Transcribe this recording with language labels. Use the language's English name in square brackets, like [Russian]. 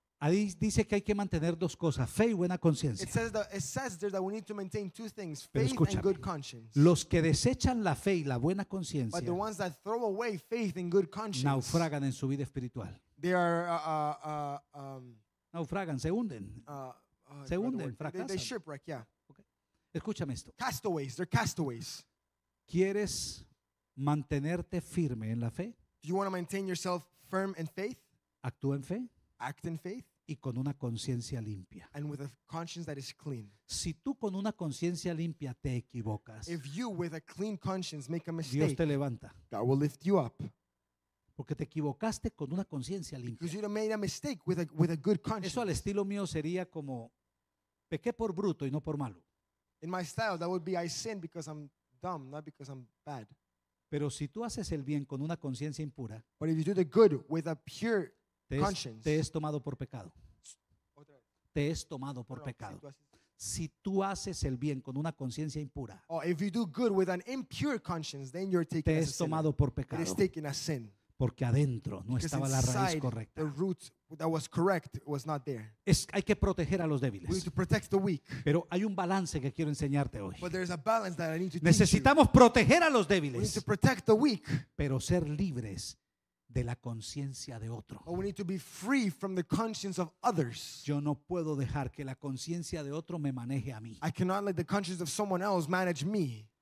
[Spanish] Ahí dice que hay que mantener dos cosas, fe y buena conciencia. [English] It says there that we need to maintain two things, faith and good conscience. [Spanish] Los que desechan la fe y la buena conciencia, [English] but the ones that throw away faith and good conscience, [Spanish] naufragan en su vida espiritual. [English] They are [Spanish] naufragan, se hunden. Se hunden, fracasan. [English] They shipwreck, yeah. Okay. [Spanish] Escúchame esto. [English] Castaways, they're castaways. [Spanish] ¿Quieres mantenerte firme en la fe? [English] Do you want to maintain yourself firm in faith? [Spanish] Actúa en fe. [English] Act in faith. [Spanish] Y con una conciencia limpia. [English] And with a conscience that is clean. [Spanish] Si tú con una conciencia limpia te equivocas, [English] if you with a clean conscience make a mistake, [Spanish] Dios te levanta. [English] God will lift you up. [Spanish] Porque te equivocaste con una conciencia limpia. [English] Because you made a mistake with a good conscience. [Spanish] Eso al estilo mío sería como pequé por bruto y no por malo. [English] In my style that would be I sinned because I'm dumb, not because I'm bad. [Spanish] Pero si tú haces el bien con una conciencia impura, [English] but if you do the good with a pure conscience. [Spanish] Te es tomado por pecado. Te es tomado por pecado. Si tú haces el bien con una conciencia impura, [English] oh, if you do good with an impure conscience, then you're taken [Spanish] te es tomado [English] sin. [Spanish] Por pecado. [English] It is taken as sin. [Spanish] Porque adentro no [English] because [Spanish] estaba la raíz correcta. [English] The root that was correct was not there. [Spanish] Hay que proteger a los débiles. [English] We need to protect the weak. [Spanish] Pero hay un balance que quiero enseñarte hoy. [English] But there is a balance that I need to [Spanish] necesitamos [English] teach you. [Spanish] Proteger a los débiles. [English] We need to protect the weak. [Spanish] Pero ser libres de la conciencia de otro. [English] But we need to be free from the conscience of others. [Spanish] Yo no puedo dejar que la conciencia de otro me maneje a mí. [English] I cannot let the conscience of someone else manage me.